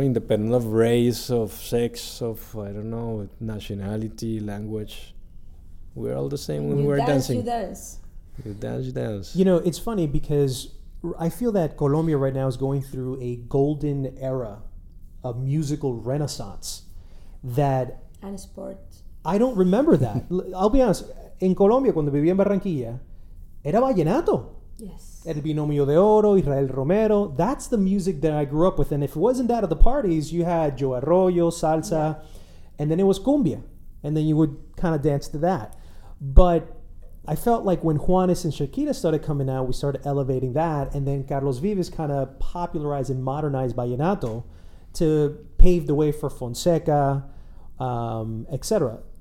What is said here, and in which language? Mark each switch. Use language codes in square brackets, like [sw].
[en] Independent of race, of sex, of, I don't know, nationality, language. We're all the same when we're dancing. You dance, you dance. You dance, you dance. You know, it's funny because I feel that Colombia right now is going through a golden era, a musical renaissance that... And sport. I don't remember that. I'll be honest. In Colombia, [es] cuando vivía en Barranquilla, era vallenato. [en] Yes. [es] El Binomio de Oro, Israel Romero. [en] That's the music that I grew up with. And if it wasn't that at the parties, you had Joe Arroyo, Salsa, yeah. and then it was Cumbia. And then you would kind of dance to that. But I felt like when Juanes and Shakira started coming out, we started elevating that. And then Carlos Vives kind of popularized and modernized vallenato to pave the way for Fonseca, etc.